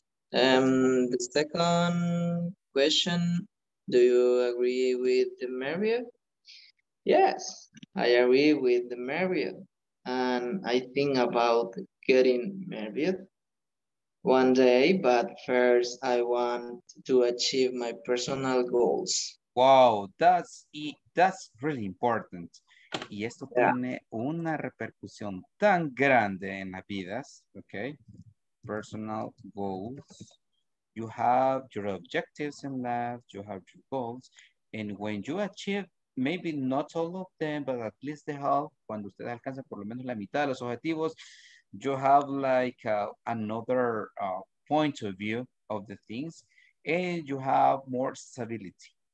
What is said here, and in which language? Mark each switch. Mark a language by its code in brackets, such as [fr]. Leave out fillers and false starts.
[en] The second question, do you agree with the marriage? Yes, I agree with the marriage. And I think about getting married one day, but first I want to achieve my personal goals. Wow, that's really important. [es] Y esto tiene una repercusión tan grande en las vidas, okay? [en] Personal goals. You have your objectives in life, you have your goals, and when you achieve, maybe not all of them, but at least the half, [es] cuando usted alcanza por lo menos la mitad de los objetivos, [en] you have like another point of view of the things, and you have more stability.